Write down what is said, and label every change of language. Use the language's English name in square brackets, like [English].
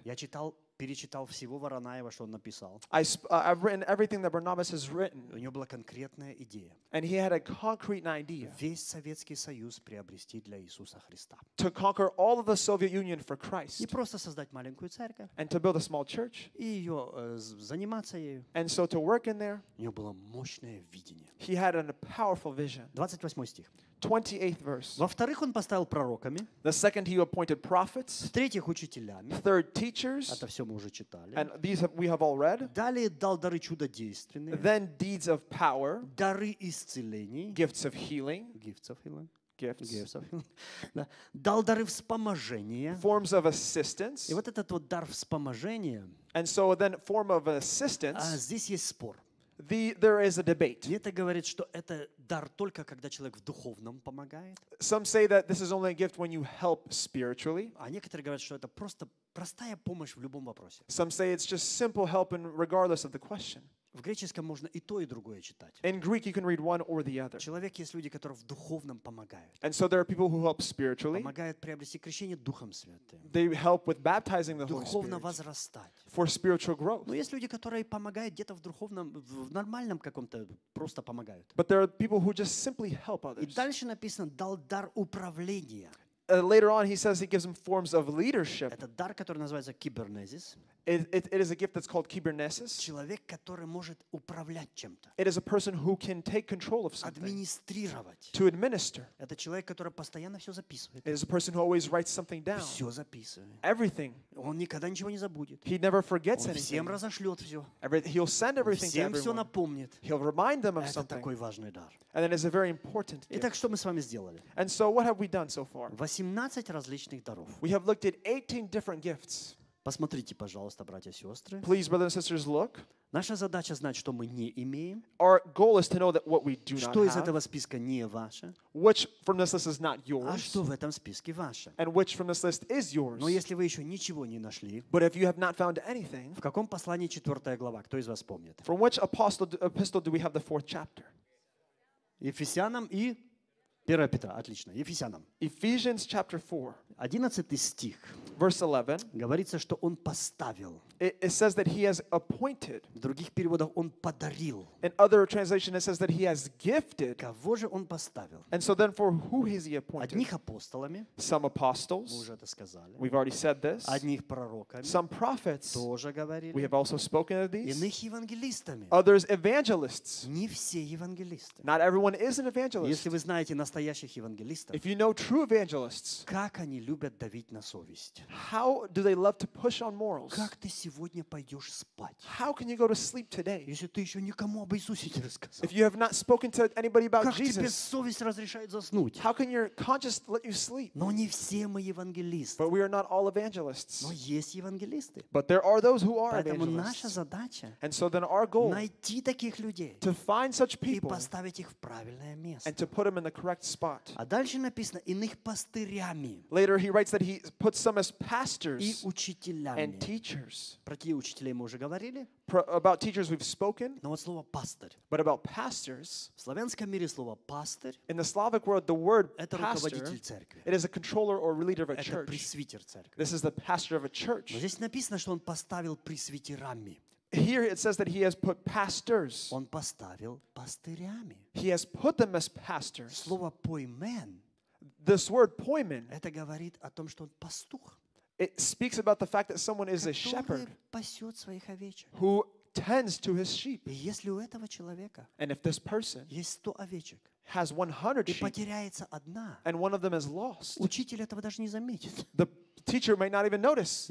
[Russian] Я читал, перечитал всего Воронаева, что он написал. [English] I've written everything that Barnabas has written. [Russian] У него была конкретная идея. [English] And he had a concrete idea. [Russian] Весь Советский Союз приобрести для Иисуса Христа. [English] To conquer all of the Soviet Union for Christ. [Russian] И просто создать маленькую церковь. [English] And to build a small church. [Russian] И ее заниматься ею. [English] And so to work in there. [Russian] У него было мощное видение. [English] He had a powerful vision. [Russian] 28 стих. [English] 28th verse. [Russian] Во-вторых, он поставил пророками. [English] The second, he appointed prophets. [Russian] В-третьих, учителями. [English] Third, teachers. [Russian] Это все мы уже читали. [English] And these we have all read. [Russian] Далее дал дары чудодейственные. [English] Then deeds of power. [Russian] Дары исцелений. [English] Gifts of healing. Gifts of healing. Gifts. Gifts of healing. [Russian] Дал дары вспоможения. [English] Forms of assistance. [Russian] И вот этот вот дар вспоможения. [English] And so then form of assistance. [Russian] А здесь есть спор. [English] There is a debate. [Russian] Где-то говорит, что это дар только когда человек в духовном помогает. [English] Some say that this is only a gift when you help spiritually. [Russian] А некоторые говорят, что это просто простая помощь в любом вопросе. [English] Some say it's just simple help in regardless of the question. [Russian] В греческом можно и то, и другое читать. [English] In Greek you can read one or the other. [Russian] В человек есть люди, которые в духовном помогают. [English] And so there are people who help spiritually. [Russian] Помогают приобрести крещение Духом Святым. [English] They help with baptizing the Holy Spirit. [Russian] Духовно возрастать. [English] For spiritual growth. [Russian] Но есть люди, которые помогают где-то в духовном, в нормальном каком-то, просто помогают. [English] But there are people who just simply help others. [Russian] И дальше написано, дал дар управления. [English] Later on, he says he gives them forms of leadership. [Russian] Это дар, который называется кибернезис. [English] It is a gift that's called kibernesis. [Russian] Человек, который может управлять чем-то. [English] It is a person who can take control of something. [Russian] Администрировать. [English] To administer. [Russian] Это человек, который постоянно все записывает. [English] It is a person who always writes something down. [Russian] Все записывает. [English] Everything. [Russian] Он никогда ничего не забудет. [English] He never forgets [Russian] он [English] anything. [Russian] Всем разошлет все. [English] He'll send everything [Russian] всем [English] to everyone. [Russian] Всем все напомнит. [English] He'll remind them of [Russian] это Это такой важный дар. [English] And it is a very important gift. [Russian] Итак, что мы с вами сделали? [English] And so what have we done so far? [Russian] 18 различных даров. [English] We have looked at 18 different gifts. [Russian] Посмотрите, пожалуйста, братья и сестры. [English] Please, brothers and sisters, look. [Russian] Наша задача знать, что мы не имеем. [English] Our goal is to know that what we do not have. [Russian] Что из этого списка не ваше? [English] Which from this list is not yours? [Russian] А что в этом списке ваше? [English] And which from this list is yours? [Russian] Но если вы еще ничего не нашли, [English] but if you have not found anything, [Russian] в каком послании 4 глава? Кто из вас помнит? [English] From which epistle do we have the 4th chapter? [Russian] Ефесянам и 1 Петра. Отлично. Ефесянам. [English] Ephesians chapter 4. [Russian] 11 стих. [English] Verse 11. [Russian] Говорится, что он поставил. [English] It says that he has appointed. [Russian] В других переводах он подарил. [English] In other translation it says that he has gifted. [Russian] Кого же он поставил? [English] And so then for who has he appointed? [Russian] Одних апостолами. [English] Some apostles. [Russian] Мы уже это сказали. [English] We've already said this. [Russian] Одних пророками. [English] Some prophets. [Russian] Тоже говорили. [English] We have also spoken of these. [Russian] Иных евангелистами. [English] Others evangelists. [Russian] Не все евангелисты. [English] Not everyone is an evangelist. [Russian] Если вы знаете настоящих евангелистов. [English] If you know true evangelists. [Russian] Как они любят давить на совесть. [English] How do they love to push on morals? [Russian] Как ты сегодня пойдешь спать? [English] How can you go to sleep today? [Russian] Если ты еще никому об Иисусе не рассказал. [English] If you have not spoken to anybody about Jesus. [Russian] Как тебе совесть разрешает заснуть? [English] How can your conscience let you sleep? [Russian] Но не все мы евангелисты. [English] But we are not all evangelists. [Russian] Но есть евангелисты. [English] But there are those who are evangelists. [Russian] Поэтому наша задача. [English] And so then our goal. [Russian] Найти таких людей. [English] To find such people. [Russian] И поставить их в правильное место. [English] And to put them in the correct spot. [Russian] А дальше написано иных пастырями. [English] Later he writes that he puts some as pastors. [Russian] И учителями. [English] And teachers. [Russian] Про какие учителей мы уже говорили? [English] About teachers we've spoken. [Russian] Но вот слово пастырь. [English] But about pastors. [Russian] В славянском мире слово пастырь. [English] In the Slavic world, the word pastor. [Russian] Это руководитель церкви. [English] It is a controller or leader of a church. [Russian] Это пресвитер церкви. [English] This is the pastor of a church. [Russian] Но здесь написано, что он поставил пресвитерами. [English] Here it says that he has put pastors. [Russian] Он поставил пастырями. [English] He has put them as pastors. [Russian] Слово поймен. [English] This word поймен. [Russian] Это говорит о том, что он пастух. [English] It speaks about the fact that someone is a shepherd who tends to his sheep. And if this person has 100 sheep and one of them is lost, the teacher may not even notice.